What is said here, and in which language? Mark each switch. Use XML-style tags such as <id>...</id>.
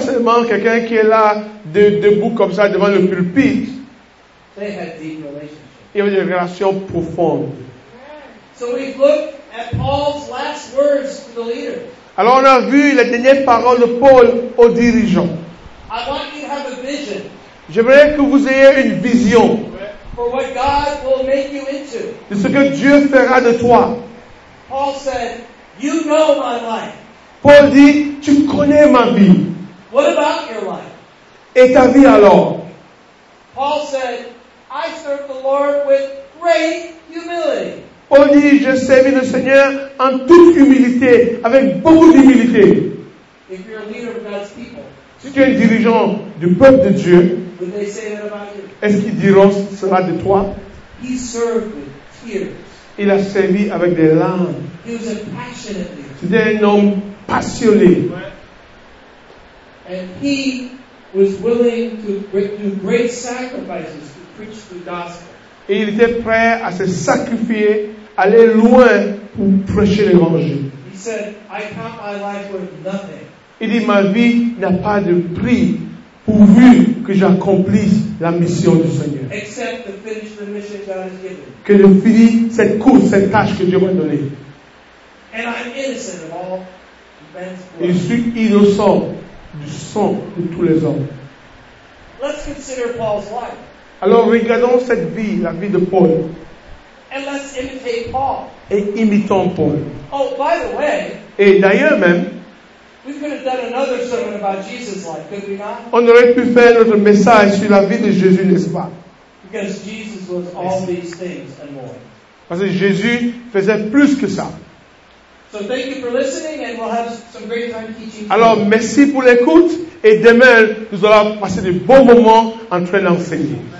<fr>seulement quelqu'un qui est là debout comme ça devant le pulpit.</fr> <en>They had deep relationships.</en> <fr>Il y avait des relations profondes.</fr> <en>So we've looked at Paul's last words to the leader.</en> <fr>Alors on a vu les dernières paroles de Paul aux dirigeants.</fr> <en>I want you to have a vision.</en> <fr>J'aimerais que vous ayez une vision</fr> <en>for what God will make you into.</en> <fr>De ce que Dieu fera de toi.</fr> <en>Paul said, "You know my life."</en> <fr>Paul dit, tu connais ma vie.</fr> <en>What about your life?</en> <fr>Et ta vie alors?</fr> <en>Paul said, "I serve the Lord with great humility."</en> <fr>Paul dit, je servis le Seigneur en toute humilité, avec beaucoup d'humilité.</fr> <en>If you're a leader of God's people,</en> <fr>si tu es un dirigeant du peuple de Dieu,</fr> <en>would they say that about you?</en> <fr>Est-ce qu'ils diront cela de toi?</fr> <en>He served with tears.</en> <fr>Il a servi avec des larmes. C'était un homme passionné.</fr> <en>And he was willing to do great sacrifices to preach the gospel.</en> <fr>Et il était prêt à se sacrifier, aller loin pour prêcher l'évangile.</fr> <en>He said, I count my life worth nothing.</en> <fr>Il dit, ma vie n'a pas de prix pourvu que j'accomplisse la mission du Seigneur.</fr> <en>Except to finish the mission God has given.</en> <fr>Que je finisse cette course, cette tâche que Dieu m'a donnée.</fr> <en>And I'm innocent of all men's blood.</en> <fr>Et je suis innocent du sang de tous les hommes.</fr> <en>Let's consider Paul's life.</en> <fr>Alors regardons cette vie, la vie de Paul.</fr> <en>And let's imitate Paul.</en> <fr>Et imitons Paul.</fr> <en>Oh, by the way,</en> <fr>et d'ailleurs même,</fr> <en>we could have done another sermon about Jesus' life, could we not?</en> <fr>On aurait pu faire notre message sur la vie de Jésus, n'est-ce pas?</fr> <en>Because Jesus was all these things and more.</en> <fr>Parce que Jésus faisait plus que ça.</fr> <en>So thank you for listening, and we'll have some great time teaching.</en> <fr>Alors</fr> <en>you.</en> <fr>Merci pour l'écoute, et demain nous allons passer de bons moments en train d'enseigner.</fr>